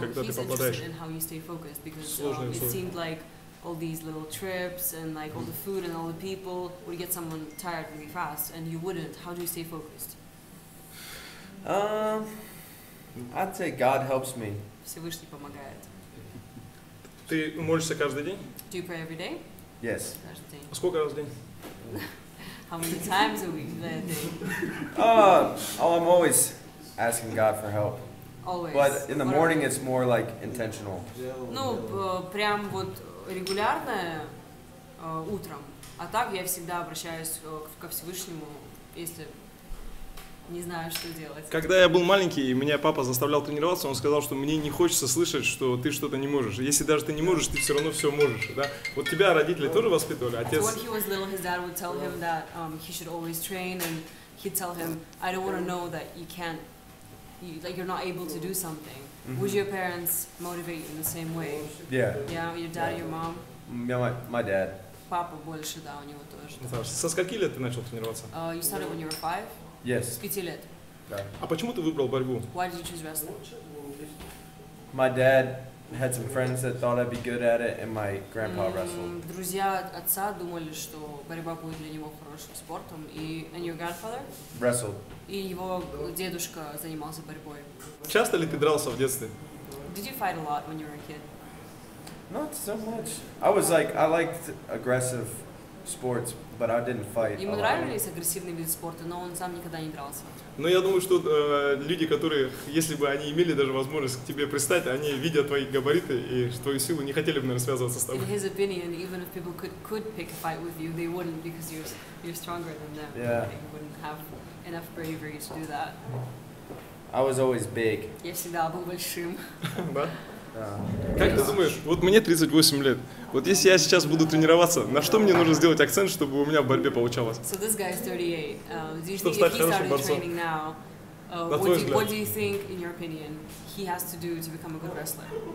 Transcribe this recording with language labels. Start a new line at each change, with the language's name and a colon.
Russian: когда ты попадаешь?
English: I'd say God helps me.
Russian: Всевышний помогает. Ты молишься каждый день?
English: Do you pray every day? Yes.
Russian: Каждый день. Сколько раз в день?
English: How many times a week do I think? I'm always asking God for help. Always. But in the morning it's more like intentional.
Russian: Ну, прям вот регулярно утром. А так я всегда обращаюсь ко Всевышнему, если не знаю, что делать. Когда я был маленький, и меня папа заставлял тренироваться, он сказал, что мне не хочется слышать, что ты что-то не можешь. Если даже ты не можешь, ты все равно все можешь. Да? Вот тебя родители тоже воспитывали, отец.
English: When he was little, his dad would tell him that he should always train, and he'd tell him, I don't want to know that you can't, like you're not able to do something. Mm-hmm. Would your parents motivate you in the same way? Yeah. Yeah, your dad, yeah. Your mom? Yeah, my dad.
Russian: Папа больше, да, у него тоже. Со скольки лет ты начал тренироваться?
English: You started when you were 5. Yes.
Russian: С 5 лет. А почему ты выбрал борьбу?
English: Why did you choose wrestling? My dad had some friends that thought I'd be good at it, and my grandpa wrestled.
Russian: Друзья отца думали, что борьба будет для него хорошим спортом, и
English: and your grandfather? Wrestled.
Russian: И его дедушка занимался борьбой. Часто ли ты дрался в детстве?
English: Did you fight a lot when you were a kid? Not so much. I was like, I liked aggressive sports. But I didn't fight.
Russian: Ему нравились агрессивные виды спорта, но он сам никогда не дрался. Но я думаю, что люди, которые, если бы они имели даже возможность к тебе пристать, они, видя твои габариты и твою силу, не хотели бы, наверное, связываться с тобой.
English: In his opinion, even if people could pick a fight with you, they wouldn't, because you're stronger than them. Yeah. They wouldn't have enough bravery to do that. I was always big.
Russian: Я всегда был большим. Да? Как ты думаешь, вот мне 38 лет, вот если я сейчас буду тренироваться, на что мне нужно сделать акцент, чтобы у меня в борьбе получалось?
English: So this guy is 38.
Russian: Чтобы стать хорошим борцом. На твой взгляд.
English: What do you think, in your opinion, he has to do to become a good wrestler?